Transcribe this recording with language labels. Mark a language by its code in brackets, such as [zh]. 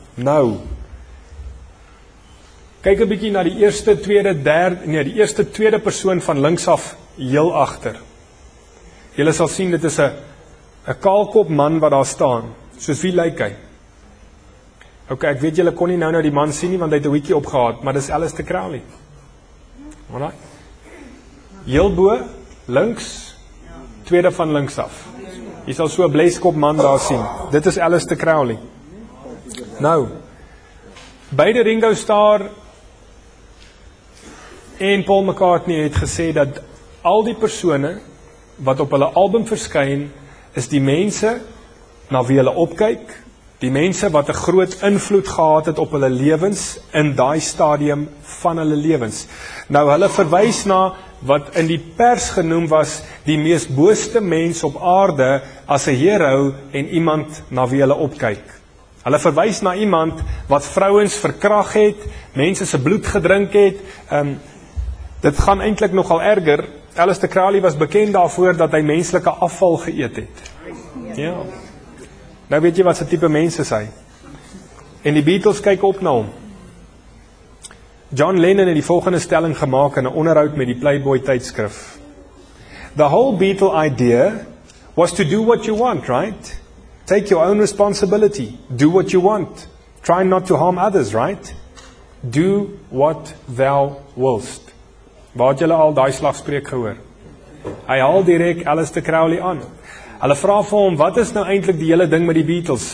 [af] Nou, kyk 'n bietjie na die eerste, tweede, derde, nee, die eerste, tweede persoon van links af, heel agter. Julle sal sien, dit is 'n kaalkop man wat daar staan, soos wie lyk hy? Ok, ek weet julle kon nie nou die man sien nie, want hy het 'n hoedjie opgehaad, maar dis Alistair Crowley. [en] Alright. [af] Heel bo, links, tweede van links af. Jy sal so 'n bleskop man daar sien. Dit is Alistair Crowley. Nou, beide Ringo Starr en Paul McCartney het gesê dat al die persone wat op hulle album verskyn, is die mense na wie hulle opkyk, die mense wat 'n groot invloed gehad het op hulle lewens in daai stadium van hulle lewens. Nou hulle verwys na wat in die pers genoem was die mees booste mens op aarde as 'n hero en iemand na wie hulle opkyk. Hulle verwys na iemand wat vrouens verkrag het, mense se bloed gedrink het. Dit gaan eintlik nogal erger. Alistair Crowley was bekend daarvoor dat hy menslike afval geëet het. Ja. Nou weet jy wat sy type mens is hy. En die Beatles kyk op na hom. John Lennon het die volgende stelling gemaak in 'n onderhoud met die Playboy tydskrif. [en] The whole Beatle idea was to do what you want, right? Take your own responsibility. Do what you want. Try not to harm others, right? Do what thou willst. [af] Waar het julle al daai slagspreek gehoor? Hy haal direk Alistair Crowley aan. Hulle vra vir hom, wat is nou eintlik die hele ding met die Beatles?